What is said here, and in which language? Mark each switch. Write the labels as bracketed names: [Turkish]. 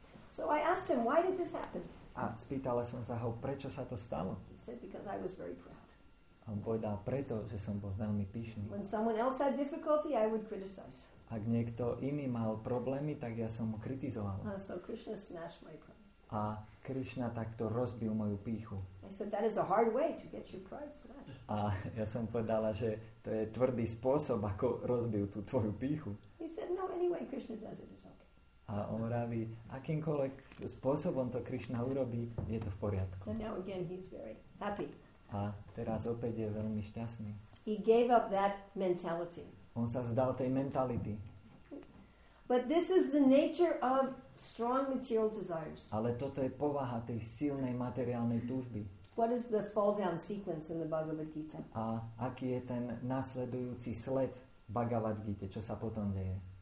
[English] So I asked him, why did this happen? [Slovak] A spýtala som sa ho, prečo sa to stalo? [English] He said, because I was very proud. [Slovak] A on povedal, preto, že som bol veľmi pyšný. [English] When someone else had difficulty, I would criticize. [Slovak] Ak niekto iný mal problémy, tak ja som mu kritizoval. [English] So Krishna smashed my pride. [Slovak] A Krishna takto rozbil moju pýchu. [English] I said, that is a hard way to get your pride smashed. [Slovak] A ja som povedala, že to je tvrdý spôsob, ako rozbil tú tvoju pýchu. [English] He said, no, anyway, Krishna does it, it's okay. [Slovak] A on hovorí, akýmkoľvek spôsobom to Krishna urobí, je to v poriadku. [English] And now again he's very happy. [Slovak] A teraz opäť je veľmi šťastný. [English] He gave up that mentality. [Slovak] On sa zdal tej mentality. [English] But this is the nature of strong material desires. [Slovak] Ale toto je povaha tej silnej materiálnej túžby. [English] What is the fall down sequence in the Bhagavad Gita? [Slovak] A aký je ten nasledujúci sled Bhagavad Gita, čo sa potom deje?